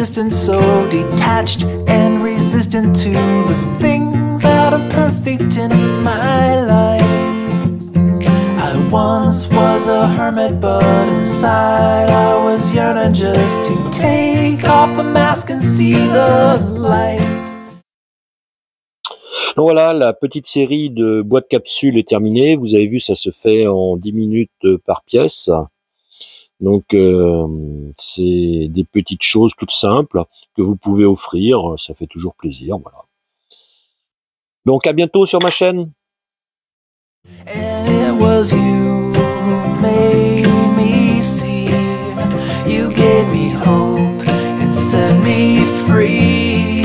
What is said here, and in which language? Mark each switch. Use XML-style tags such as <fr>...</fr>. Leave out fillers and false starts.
<en>So detached and resistant to the things that are perfect in my life. I once was a hermit, but inside I was yearning just to take off the mask and see the light.</en> <fr>Donc voilà, la petite série de boîtes capsules est terminée. Vous avez vu, ça se fait en 10 minutes par pièce. Donc, c'est des petites choses toutes simples que vous pouvez offrir. Ça fait toujours plaisir, voilà. Donc, à bientôt sur ma chaîne.</fr> <en>And it was you who made me see. You gave me hope and set me free.</en>